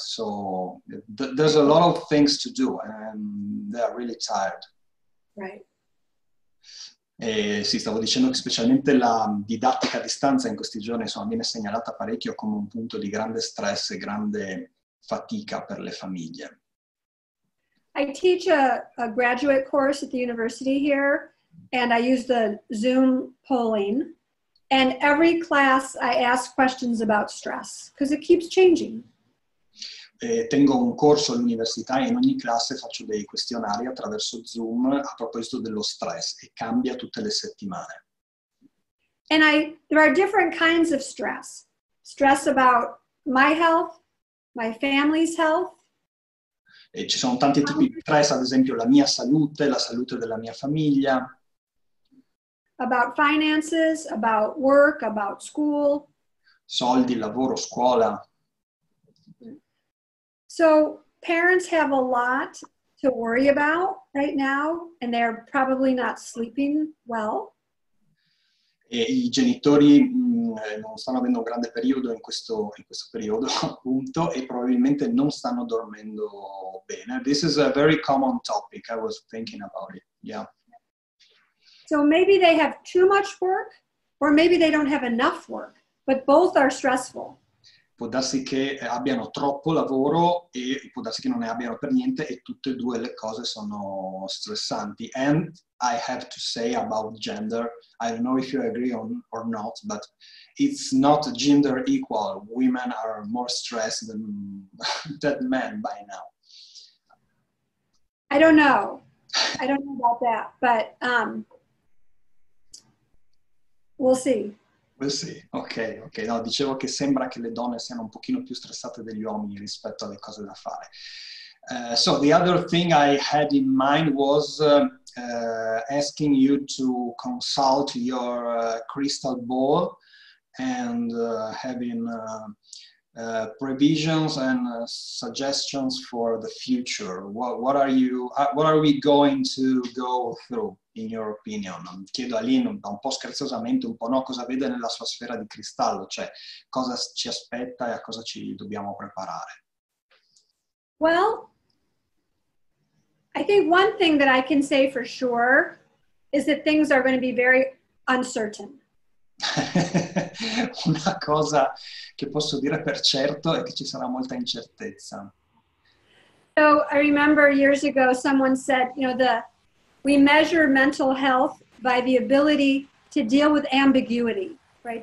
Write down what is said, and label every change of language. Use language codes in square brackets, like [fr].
[en] So there's a lot of things to do and they are really tired. Right. [it] E sì, stavo dicendo che specialmente la didattica a distanza in questi giorni insomma, viene segnalata parecchio come un punto di grande stress e grande fatica per le famiglie. [en] I teach a graduate course at the university here and I use the Zoom polling and every class I ask questions about stress because it keeps changing. [it] E tengo un corso all'università e in ogni classe faccio dei questionari attraverso Zoom a proposito dello stress e cambia tutte le settimane. [en] And there are different kinds of stress. Stress about my health, my family's health. [it] E ci sono tanti tipi di stress, ad esempio la mia salute, la salute della mia famiglia. [en] About finances, about work, about school. [it] Soldi, lavoro, scuola. [en] So parents have a lot to worry about right now, and they're probably not sleeping well. [it] E i genitori non stanno avendo un grande periodo in questo periodo, appunto, e probabilmente non stanno dormendo bene. [en] This is a very common topic. I was thinking about it. Yeah. So maybe they have too much work, or maybe they don't have enough work, but both are stressful. [it] Può darsi che abbiano troppo lavoro e può darsi che non ne abbiano per niente e tutte e due le cose sono stressanti. [en] And I have to say about gender, I don't know if you agree or not, but it's not gender equal. Women are more stressed than men by now. I don't know. I don't know about that, but we'll see. [it] Well, sì, ok. No, dicevo che sembra che le donne siano un pochino più stressate degli uomini rispetto alle cose da fare. [en] So the other thing I had in mind was asking you to consult your crystal ball and having previsions and suggestions for the future. What are we going to go through? In your opinion, [it] chiedo a Lynn un po' scherzosamente, un po' no, cosa vede nella sua sfera di cristallo, cioè cosa ci aspetta e a cosa ci dobbiamo preparare. [en] Well, I think one thing that I can say for sure is that things are going to be very uncertain. [it] Una cosa che posso dire per certo è che ci sarà molta incertezza. [en] So I remember years ago someone said, you know, we measure mental health by the ability to deal with ambiguity, right?